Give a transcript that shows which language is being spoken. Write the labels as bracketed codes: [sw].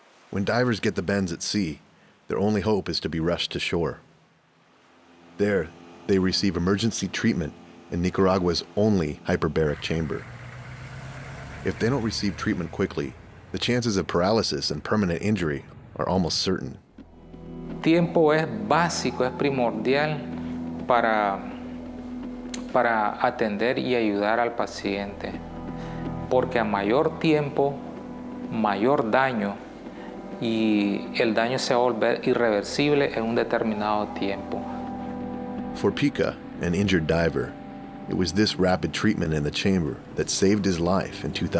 [en] When divers get the bends at sea, their only hope is to be rushed to shore. There, they receive emergency treatment in Nicaragua's only hyperbaric chamber. If they don't receive treatment quickly, the chances of paralysis and permanent injury are almost certain. [es] Tiempo es básico, es primordial para atender y ayudar al paciente. Porque a mayor tiempo, mayor daño, y el daño se va a volver irreversible en un determinado tiempo. [en] For Pika, an injured diver, it was this rapid treatment in the chamber that saved his life in